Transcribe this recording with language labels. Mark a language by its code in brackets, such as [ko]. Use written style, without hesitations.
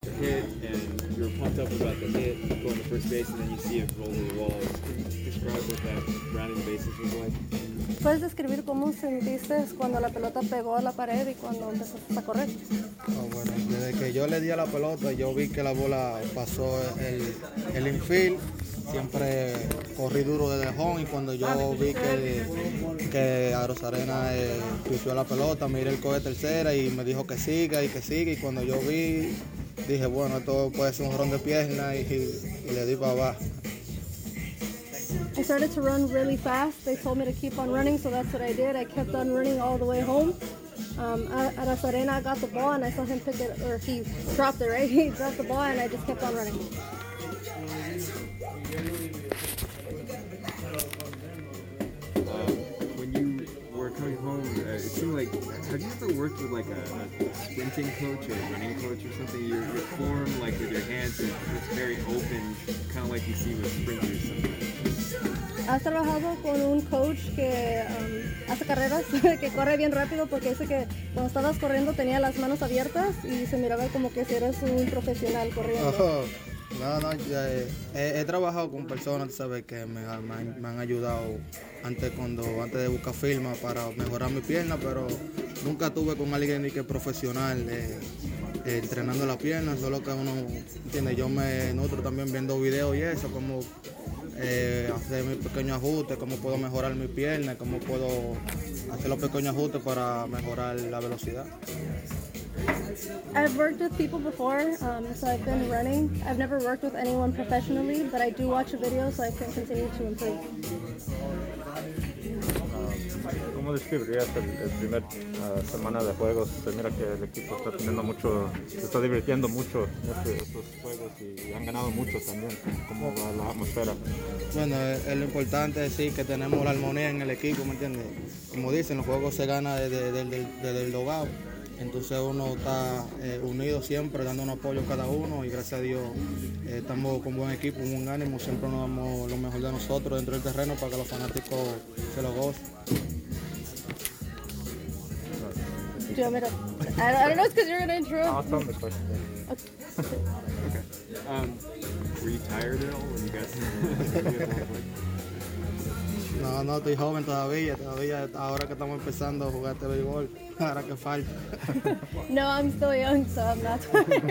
[en] pumped up about the hit going to first base, and then you see it roll to the wall. Describe what that rounding the bases was like. [es] ¿Puedes describir cómo sentiste cuando la pelota pegó a la pared y cuando empezaste a correr? Oh, bueno, desde que yo le di a la pelota, yo vi que la bola pasó el infield. Siempre corrí duro desde home y cuando yo vi que a Rosarena pusió la pelota, miré el coge tercera y me dijo que siga y que siga. Y cuando yo vi, dije, bueno, esto puede ser un jorrón de pierna y le di para abajo. [en] I started to run really fast. They told me to keep on running, so that's what I did. I kept on running all the way home. At Arena, I got the ball and I saw him pick it, or he dropped it, right? He dropped the ball and I just kept on running. When you were coming home, it seemed like, have you ever worked with like a sprinting coach or a running coach or something? Your form, like with your hands, it's very open, kind of like you see with sprinters sometimes. [es] ¿Has trabajado con un coach que hace carreras, que corre bien rápido? Porque dice que cuando estabas corriendo tenía las manos abiertas y se miraba como que si eras un profesional corriendo. Oh, no, ya he trabajado con personas, ¿sabes? Que me han ayudado antes de buscar firma para mejorar mi pierna, pero nunca tuve con alguien ni que profesional entrenando la pierna, solo que uno tiene, yo me nutro también viendo videos y eso, como hacer mis pequeños ajustes, cómo puedo mejorar mi pierna, cómo puedo hacer los pequeños ajustes para mejorar la velocidad. [en] I've worked with people before, so I've been running. I've never worked with anyone professionally, but I do watch a video so I can continue to improve. [es] ¿Cómo describirías el primer semana de juegos? Se mira que el equipo está teniendo mucho, se está divirtiendo mucho estos juegos y han ganado mucho también. ¿Cómo va la atmósfera? Bueno, lo importante es que tenemos la armonía en el equipo, ¿me entiendes? Como dicen, los juegos se ganan desde el dogado. Entonces uno está unido siempre, dando un apoyo a cada uno y gracias a Dios estamos con buen equipo, un buen ánimo. Siempre nos damos lo mejor de nosotros dentro del terreno para que los fanáticos se lo gocen. [en] I don't know, it's because you're going to intro. I'll tell him this question. Okay. Were you tired at all when you got here? [es] No, no, estoy joven todavía. Ahora que estamos empezando a jugar este béisbol, ahora que falta. [en] No, I'm still young, so I'm not tired.